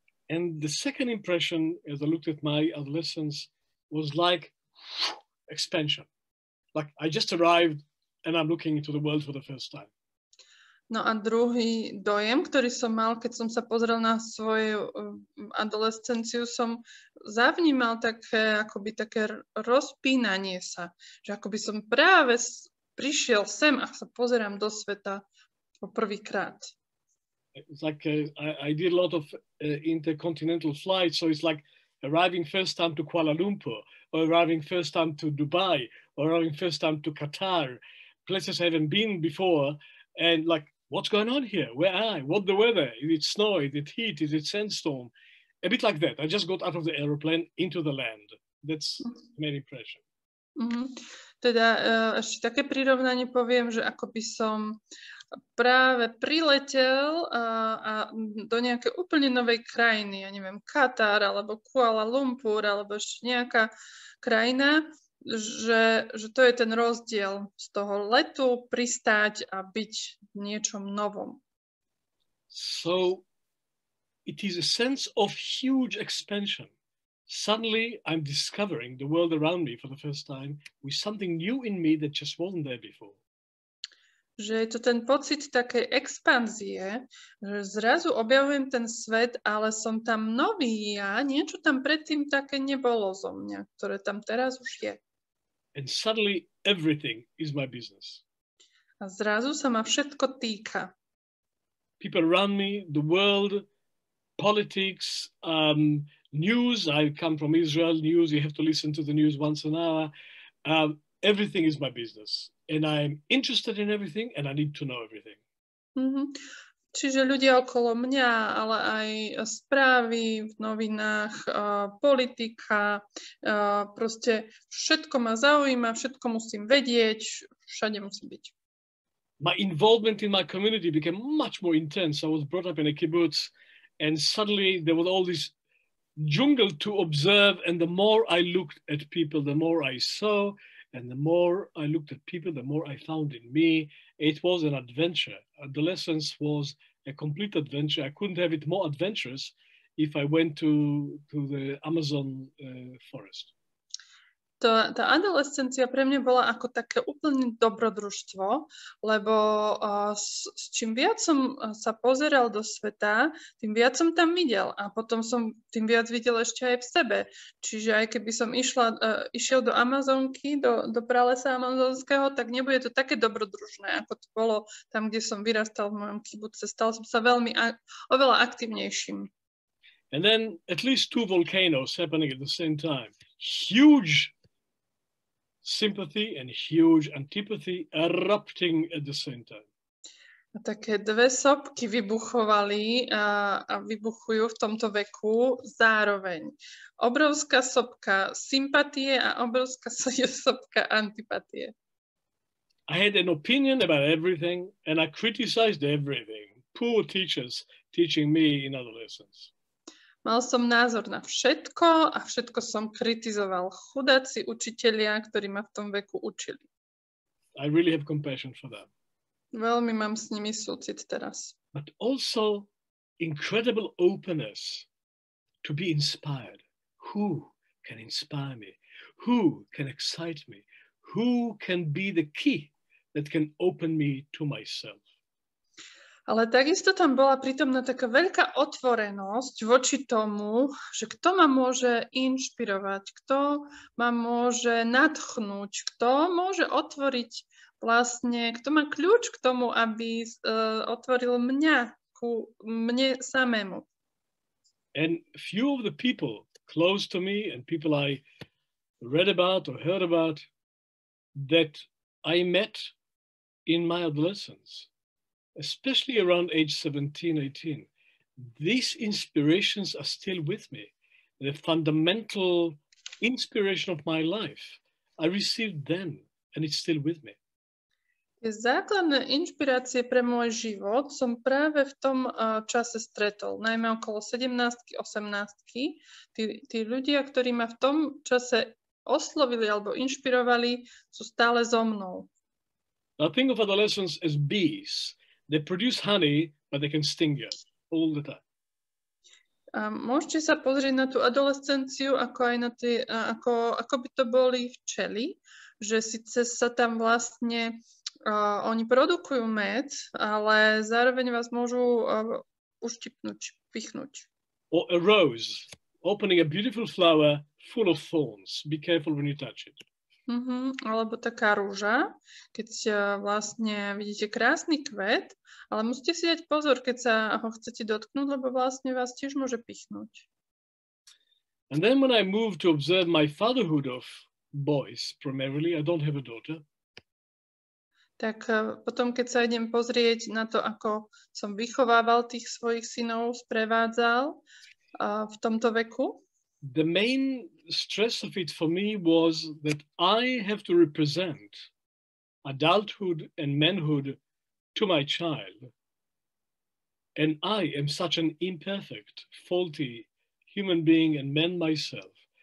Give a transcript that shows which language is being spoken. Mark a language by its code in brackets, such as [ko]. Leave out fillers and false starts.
[en] And the second impression as I looked at my adolescence was like expansion. Like I just arrived and I'm looking into the world for the first time. [sk] No a druhý dojem, ktorý som mal, keď som sa pozrel na svoju adolescenciu, som zavnímal také, akoby také rozpínanie sa. Že akoby som práve prišiel sem a sa pozerám do sveta po prvýkrát. [en] It's like I did a lot of intercontinental flights, so it's like arriving first time to Kuala Lumpur, or arriving first time to Dubai, or arriving first time to Qatar, places I haven't been before, and like, what's going on here? Where am I? What the weather? Is it snow? Is it heat? Is it sandstorm? A bit like that. I just got out of the aeroplane into the land. That's my impression. Mm-hmm. [sk] Teda ešte také prirovnanie poviem, že ako by som práve priletel a do nejakej úplne novej krajiny, ja neviem, Katar alebo Kuala Lumpur alebo ešte nejaká krajina, že to je ten rozdiel z toho letu pristáť a byť niečom novom. [en] So it is a sense of huge expansion. Suddenly I'm discovering the world around me for the first time with something new in me that just wasn't there before. [sk] Že je to ten pocit takej expanzie, že zrazu objavujem ten svet, ale som tam nový ja, niečo tam predtým také nebolo zo mňa, ktoré tam teraz už je. [en] And suddenly everything is my business. [sk] A zrazu sa ma všetko týka. [en] People around me, the world, politics, news, I come from Israel, news, you have to listen to the news once an hour. Everything is my business. And I'm interested in everything and I need to know everything. Mm-hmm. [sk] Čiže ľudia okolo mňa, ale aj správy v novinách, politika, proste všetko ma zaujíma, všetko musím vedieť, všade musím byť. [en] My involvement in my community became much more intense. I was brought up in a kibbutz and suddenly there was all this jungle to observe, and the more I looked at people, the more I saw, and the more I looked at people, the more I found in me. It was an adventure. Adolescence was a complete adventure. I couldn't have it more adventurous if I went to the Amazon forest. [sk] Tá adolescencia pre mňa bola ako také úplne dobrodružstvo, lebo s čím viac som sa pozeral do sveta, tým viac som tam videl a potom som tým viac videl ešte aj v sebe. Čiže aj keby som išiel do Amazonky, do pralesa amazonského, tak nebude to také dobrodružné, ako to bolo tam, kde som vyrastal v mojom kibuce. Stal som sa veľmi oveľa aktivnejším. [en] And then at least two volcanoes happening at the same time. Huge sympathy and huge antipathy erupting at the same time. [sk] Také dve sopky vybuchovali a vybuchujú v tomto veku zároveň. Obrovská sopka sympatie a obrovská sopka antipatie. [en] I had an opinion about everything and I criticized everything. Poor teachers teaching me in adolescence. [sk] Mal som názor na všetko a všetko som kritizoval. Chudáci učitelia, ktorí ma v tom veku učili. [en] I really have compassion for them. [sk] Veľmi mám s nimi súcit teraz. [en] But also incredible openness to be inspired. Who can inspire me? Who can excite me? Who can be the key that can open me to myself? [sk] Ale takisto tam bola prítomná taká veľká otvorenosť voči tomu, že kto ma môže inšpirovať, kto ma môže nadchnúť, kto môže otvoriť vlastne, kto má kľúč k tomu, aby otvoril mňa, ku mne samému. [en] And few of the people close to me and people I read about or heard about that I met in my adolescence, especially around age 17, 18, these inspirations are still with me. The fundamental inspiration of my life, I received then and it's still with me. [sk] Základné inšpirácie pre môj život som práve v tom čase stretol, najmä okolo 17-ky, 18-ky. Tí ľudia, ktorí ma v tom čase oslovili alebo inšpirovali, sú stále so mnou. [en] I think of adolescents as bees. They produce honey, but they can sting you all the time. [sk] A môžete sa pozrieť na tú adolescenciu ako aj na tie, ako by to boli včely, že síce sa tam vlastne oni produkujú med, ale zároveň vás môžu uštipnúť, pichnúť. [en] Or a rose, opening a beautiful flower full of thorns. Be careful when you touch it. Mm-hmm. [sk] Alebo taká rúža, keď vlastne vidíte krásny kvet, ale musíte si dať pozor, keď sa ho chcete dotknúť, lebo vlastne vás tiež môže pichnúť. [en] And then when I moved to observe my fatherhood of boys, primarily, I don't have a daughter. [sk] Tak potom, keď sa idem pozrieť na to, ako som vychovával tých svojich synov, sprevádzal v tomto veku. [en] The main stress of it for me was that I have to represent adulthood and manhood to my child. And I am such an imperfect, faulty human being and man myself.